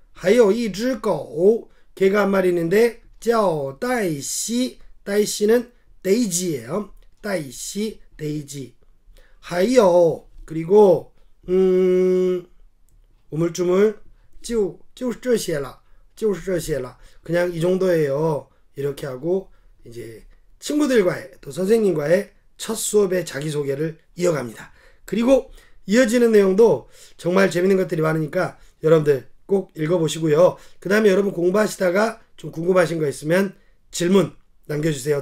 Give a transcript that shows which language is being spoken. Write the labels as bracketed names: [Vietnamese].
[Chinese] 还有一只狗, [Korean] 개가 한 마리 있는데 [Chinese] 叫戴西, [Korean] 戴西는 데이지예요. 戴西, 데이지. 还有 그리고 우물쭈물 [Chinese] 就是这些了. [Korean] 그냥 이 정도예요. 이렇게 하고 이제 친구들과의 또 선생님과의 첫 수업의 자기소개를 이어갑니다. 그리고 이어지는 내용도 정말 재밌는 것들이 많으니까 여러분들 꼭 읽어보시고요. 그 다음에 여러분 공부하시다가 좀 궁금하신 거 있으면 질문 남겨주세요.